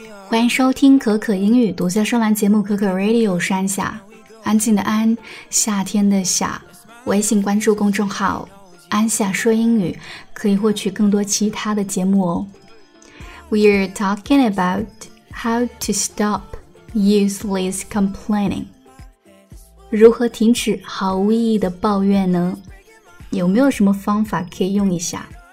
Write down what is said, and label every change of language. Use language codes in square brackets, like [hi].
[zh] 欢迎收听可可英语独家专栏节目可可 Radio 山下，安静的安，夏天的夏。微信关注公众号安夏说英语，可以获取更多其他的节目哦。 [en] We're talking about how to stop useless complaining. [zh] 如何停止毫无意义的抱怨呢？有没有什么方法可以用一下？